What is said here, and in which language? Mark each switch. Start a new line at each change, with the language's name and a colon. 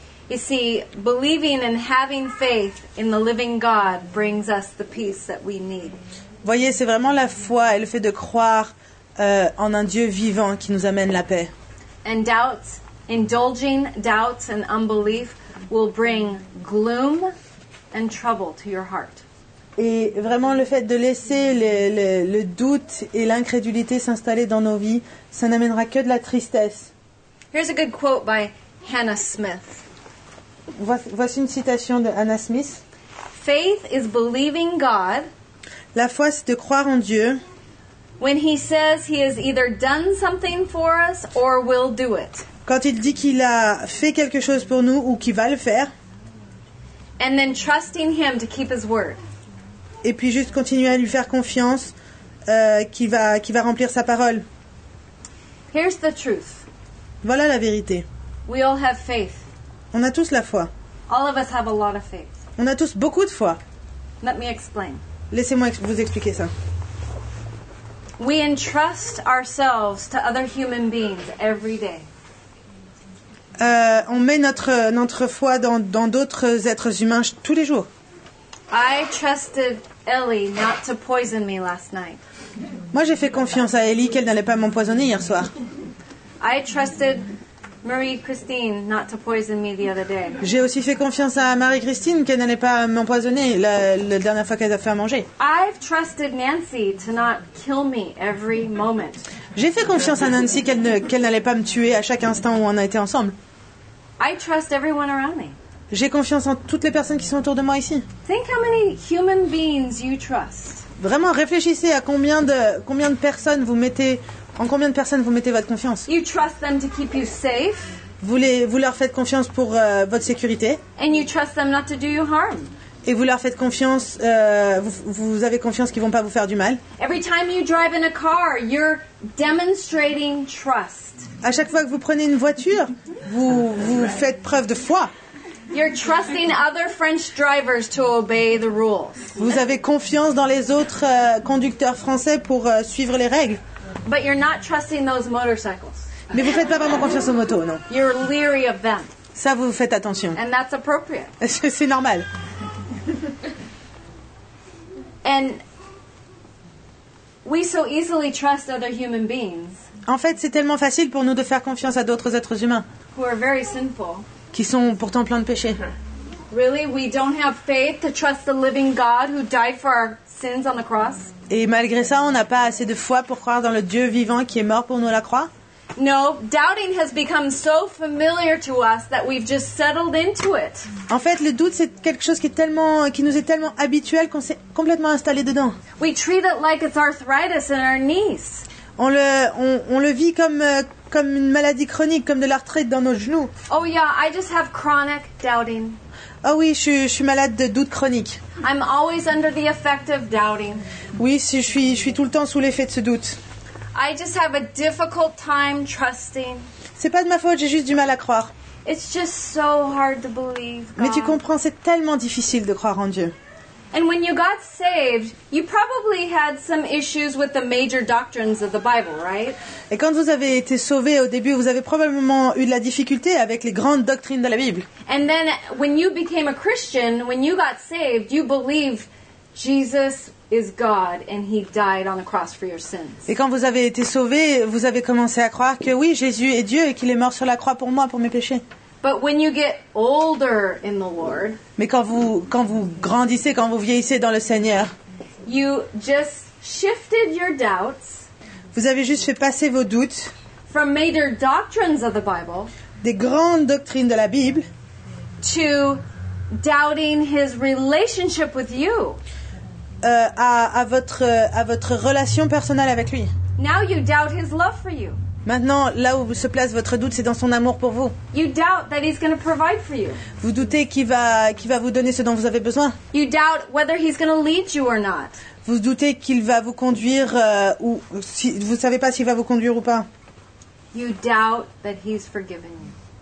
English: You see, believing and having faith in the living God brings us the peace that we need.
French: Voyez, c'est vraiment la foi et le fait de croire en un Dieu vivant qui nous amène la paix.
English: And doubts, indulging doubts and unbelief will bring gloom and trouble to your heart.
French: Et vraiment le fait de laisser le doute et l'incrédulité s'installer dans nos vies, ça n'amènera que de la tristesse.
English: Here's a good quote by Hannah Smith.
French: Voici une citation de Hannah Smith.
English: Faith is believing God.
French: La foi, c'est de croire en Dieu.
English: When he says he has either done something for us or will do it.
French: Quand il dit qu'il a fait quelque chose pour nous ou qu'il va le faire.
English: And then trusting him to keep his word.
French: Et puis juste continuer à lui faire confiance qu'il va remplir sa parole.
English: Here's the truth.
French: Voilà la vérité.
English: We all have faith.
French: On a tous la foi.
English: All of us have a lot of faith.
French: On a tous beaucoup de foi.
English: Let me explain.
French: Laissez-moi vous expliquer ça.
English: We entrust ourselves to other human beings every day.
French: On met notre foi dans d'autres êtres humains tous les jours.
English: I trusted Ellie not to poison me last night.
French: Moi, j'ai fait confiance à Ellie qu'elle n'allait pas m'empoisonner hier soir.
English: I trusted Marie-Christine not to poison me the other day.
French: J'ai aussi fait confiance à Marie-Christine qu'elle n'allait pas m'empoisonner la dernière fois qu'elle a fait à manger.
English: I've trusted Nancy to not kill me every moment.
French: J'ai fait confiance à Nancy qu'elle n'allait pas me tuer à chaque instant où on a été ensemble.
English: I trust everyone around me.
French: J'ai confiance en toutes les personnes qui sont autour de moi ici.
English: Think how many human beings you trust.
French: Vraiment, réfléchissez à combien de personnes vous mettez votre confiance.
English: You trust them to keep you safe.
French: Vous leur faites confiance pour votre sécurité.
English: And you trust them not to do you harm.
French: Et vous leur faites confiance, vous avez confiance qu'ils ne vont pas vous faire du mal.
English: Every time you drive in a car, you're demonstrating trust.
French: À chaque fois que vous prenez une voiture, vous faites preuve de foi.
English: You're trusting other French drivers to obey the rules.
French: Vous avez confiance dans les autres conducteurs français pour suivre les règles.
English: But you're not trusting those motorcycles.
French: Mais vous faites pas vraiment confiance aux motos, non.
English: You're leery of them.
French: Ça, vous faites attention.
English: And that's appropriate.
French: C'est normal.
English: And we so easily trust other human beings.
French: En fait, c'est tellement facile pour nous de faire confiance à d'autres êtres humains.
English: Who are very sinful.
French: Qui sont pourtant pleins de péchés.
English: Really, we don't have faith to trust the living God who died for our sins on the cross.
French: Et malgré ça, on n'a pas assez de foi pour croire dans le Dieu vivant qui est mort pour nous à la croix.
English: No, doubting has become so familiar to us that we've just settled into it.
French: En fait, le doute c'est quelque chose qui nous est tellement habituel qu'on s'est complètement installé dedans.
English: We treat it like it's arthritis in our knees.
French: On le vit comme une maladie chronique, comme de l'arthrite dans nos genoux.
English: Oh yeah, I just have chronic doubting.
French: Oh oui, je suis malade de doute chronique.
English: I'm always under the effect of doubting.
French: Oui, je suis tout le temps sous l'effet de ce doute.
English: I just have a difficult time trusting.
French: C'est pas de ma faute, j'ai juste du mal à croire.
English: It's just so hard to believe, God.
French: Mais tu comprends, c'est tellement difficile de croire en Dieu.
English: And when you got saved, you probably had some issues with the major doctrines of the Bible, right?
French: Et quand vous avez été sauvé au début, vous avez probablement eu de la difficulté avec les grandes doctrines de la Bible.
English: And then when you became a Christian, when you got saved, you believed Jesus is God and he died on the cross for your sins.
French: Et quand vous avez été sauvé, vous avez commencé à croire que oui, Jésus est Dieu et qu'il est mort sur la croix pour moi, pour mes péchés.
English: But when you get older in the Lord,
French: mais quand vous grandissez, quand vous vieillissez dans le Seigneur,
English: you just shifted your doubts.
French: Vous avez juste fait passer vos doutes
English: from major doctrines of the Bible,
French: des grandes doctrines de la Bible,
English: to doubting his relationship with you.
French: À votre relation personnelle avec lui.
English: Now you doubt his love for you.
French: Maintenant, là où se place votre doute, c'est dans son amour pour vous.
English: You doubt that he's going to provide for you.
French: Vous doutez qu'il va vous donner ce dont vous avez besoin.
English: You doubt whether he's going to lead you or not.
French: Vous doutez qu'il va vous conduire ou si, vous savez pas s'il va vous conduire ou pas.
English: You doubt that he's forgiven you.